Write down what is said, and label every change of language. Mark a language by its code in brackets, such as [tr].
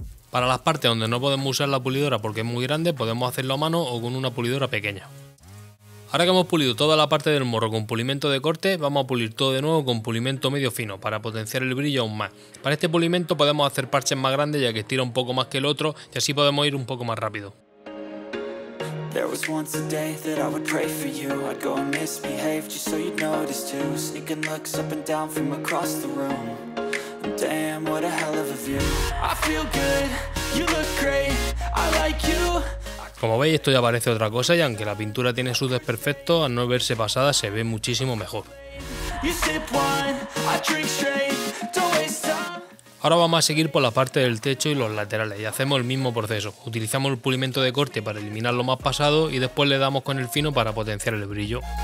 [es] Para las partes donde no podemos usar la pulidora porque es muy grande, podemos hacerlo a mano o con una pulidora pequeña. Ahora que hemos pulido toda la parte del morro con pulimento de corte, vamos a pulir todo de nuevo con pulimento medio fino para potenciar el brillo aún más. Para este pulimento podemos hacer parches más grandes ya que estira un poco más que el otro y así podemos ir un poco más rápido. [en] There was once a day that I would pray for you. I'd go and misbehave just so you'd notice too. Sneaking looks up and down from across the room. Damn, what a hell of a view. I feel good, you look great, I like you. [es] Como veis, esto ya parece otra cosa y aunque la pintura tiene sus desperfectos, al no verse pasada se ve muchísimo mejor. [en] You sip wine, I drink straight, don't waste time. [es] Ahora vamos a seguir por la parte del techo y los laterales y hacemos el mismo proceso. Utilizamos el pulimento de corte para eliminar lo más pasado y después le damos con el fino para potenciar el brillo.